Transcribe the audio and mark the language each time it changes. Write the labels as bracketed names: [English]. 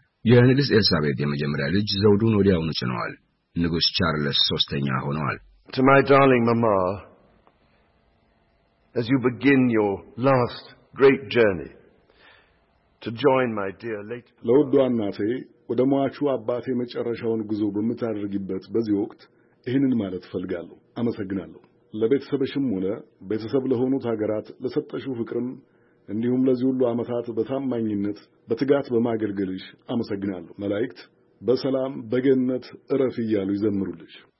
[Amharic] የንግስት ኤልሳቤት የመጀመሪያ ልጅ ዘውዱን ወዲያውኑ ጭነዋል። ንጉስ ቻርለስ 3ኛ ሆነዋል። [English] To my darling mama, as you begin your last great journey to join my dear late [Amharic] ለውዷናቴ ወደ ሟቹ አባቴ መጨረሻውን ጉዞ በመታደርግበት በዚህ ወቅት ይሄንን ማለት ፈልጋለሁ። አመሰግናለሁ ለቤተሰብሽም ሆነ ቤተሰብ ለሆኑት ሀገራት ለሰጠሽው ፍቅርም እንዲሁም ለዚህ ሁሉ አመታት በታማኝነት በትጋት በማገልገልሽ አመሰግናለሁ። መላእክት በሰላም በገነት እረፍ ይያሉ ይዘምሩልሽ።